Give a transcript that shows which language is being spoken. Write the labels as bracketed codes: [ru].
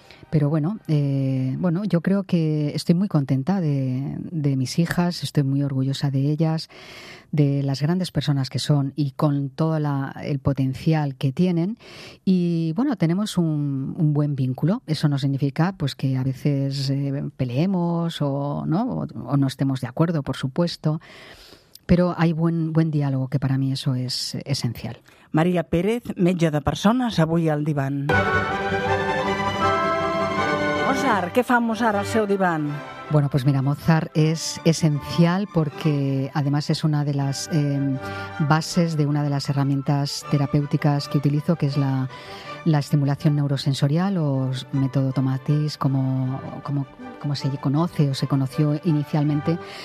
[es] Pero bueno, yo creo que estoy muy contenta de mis hijas, estoy muy orgullosa de ellas, de las grandes personas que son y con todo el potencial que tienen. Y bueno, tenemos un buen vínculo. Eso no significa pues que a veces peleemos o no estemos de acuerdo, por supuesto. Pero hay buen diálogo, que para mí eso es esencial. [ca] María Pérez, metge de persones, avui al divan. Mozart, ¿qué fa Mozart al seu diván? [es] Bueno, pues mira, Mozart es esencial porque además es una de las bases de una de las herramientas terapéuticas que utilizo, que es la estimulación neurosensorial o método Tomatis, como se conoce o se conoció inicialmente.